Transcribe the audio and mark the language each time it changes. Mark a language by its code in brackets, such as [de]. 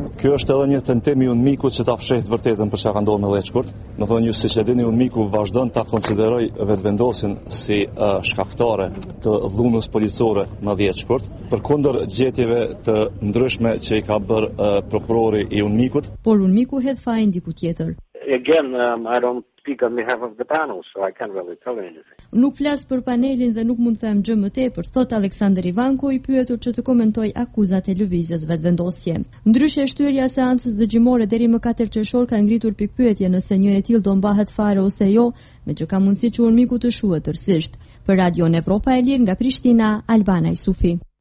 [sq] Kjo është edhe një tentim i unëmikut që ta fshehë të vërtetën për çka ka ndodhur me 10 shkurt. Më thonë ju siç e dini, unëmiku vazhdon ta konsideroj vetëvendosjen si shkaktore të dhunës policore në 10 shkurt, përkundër gjetjeve të ndryshme që i ka bërë prokurori i unëmikut. Por unëmiku hedh fajin diku tjetër. [en] Again, I don't speak on behalf of the panel, so I can't really tell anything. [sq] Nuk flas për panelin dhe nuk mund të them gjë më tepër, thot Aleksander Ivanko i pyetur që të komentoj akuzat e lëvizjes vetëvendosje. Ndryshe shtyrja seancës dëgjimore deri më 4 qershor ka ngritur pikpyetje nëse një e till do mbahet fare ose jo, me që ka mundësi që unëmiku të shuhet tërësisht. Për Radio Evropa e Lirë nga Prishtina, Albana Isufi.